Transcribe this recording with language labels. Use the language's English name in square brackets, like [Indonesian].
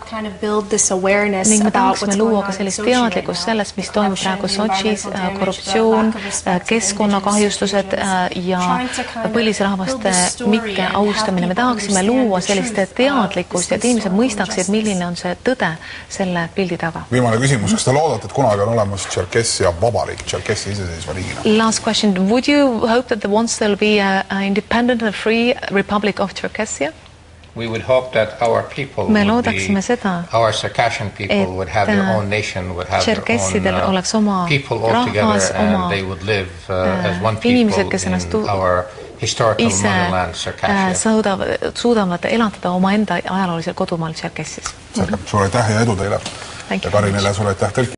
[Estonian] Ning me tahaksime luua ka sellist teadlikust sellest, mis toimub praegu Sochis, korruptsioon, keskkonnakahjustused ja põlisrahvaste mitte austamine. Me tahaksime luua sellist teadlikust, et inimesed mõistaksid, milline on see tõde selle pildi taga. Viimane küsimus, kas te loodate, et kunagi on olemas Circassia vabariik, Circassia iseseisva riigina? [English] Last question, would you hope that once there will be an independent and free republic of Circassia? We would hope that our people would be, our Circassian people would have their own nation, would have their own people altogether, and they would live as one people in our historical motherland, Circassia. [Estonian] Suudavad elatada oma enda ajaloolisel kodumaal Circassis. Suure aitäh ja edu teile. [English] Thank you. [Estonian] Ja Karinele, suure aitäh tõlki.